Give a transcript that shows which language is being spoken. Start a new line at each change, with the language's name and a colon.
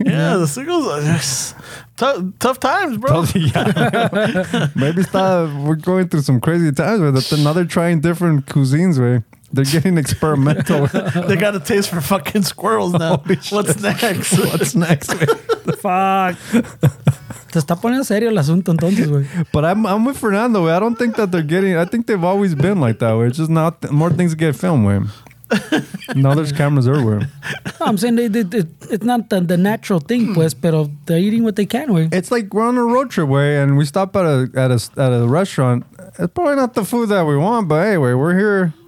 English: Yeah, the seagull's tough times, bro. Maybe we're going through some crazy times, but now they're trying different cuisines, way. They're getting experimental. They got a taste for fucking squirrels now. What's next? What's next, man? Fuck.
Spanish: Te está poniendo serio el asunto entonces, güey.
English: But I'm with Fernando, güey. I don't think that they're getting... I think they've always been like that, güey. It's just not... more things get filmed, güey. Now there's cameras everywhere. No, I'm saying it's not the natural thing, pues,
Spanish: pero
English: they're eating what they can, güey. It's like we're on a road trip, güey, and we stop at a restaurant. It's probably not the food that we want, but anyway, we're here...